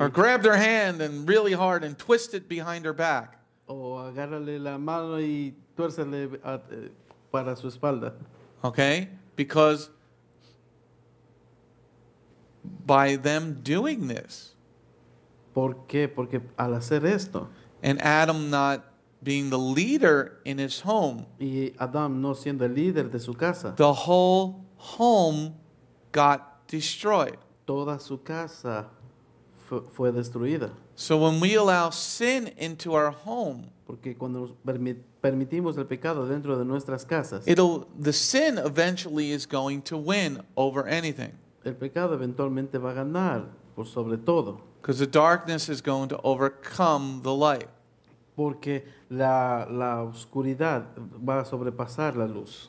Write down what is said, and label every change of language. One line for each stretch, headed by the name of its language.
English: Or grabbed her hand and really hard and twist it behind her back.
Spanish: O agárrale la mano y tuércele para su espalda.
English: Okay, because by them doing this.
Spanish: ¿Por qué? Porque al hacer esto.
English: And Adam not being the leader in his home.
Spanish: Y Adam no siendo el líder de su casa.
English: The whole home got destroyed.
Spanish: Toda su casa fue destruida.
English: So when we allow sin into our home,
Spanish: porque cuando permitimos el pecado dentro de nuestras casas,
English: the sin eventually is going to win over anything.
Spanish: El pecado eventualmente va a ganar por sobre todo.
English: Because the darkness is going to overcome the light.
Spanish: Porque la oscuridad va a sobrepasar la luz.